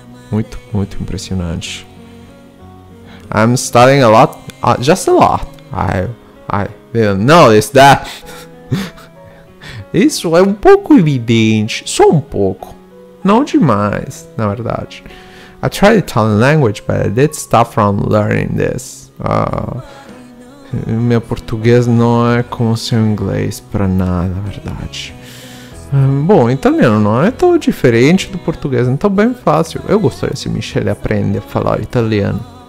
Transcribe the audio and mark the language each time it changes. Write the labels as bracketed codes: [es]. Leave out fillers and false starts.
[pt] Muito, muito impressionante. [en] I'm studying a lot, just a lot. I didn't notice that. [pt] Isso é um pouco evidente, só um pouco. Não demais, na verdade. [en] I tried Italian language, but I did stop from learning this. [pt] Meu português não é como seu inglês, pra nada, na verdade. Bom, italiano não é tão diferente do português, então bem fácil. Eu gostaria se Michele aprende a falar italiano.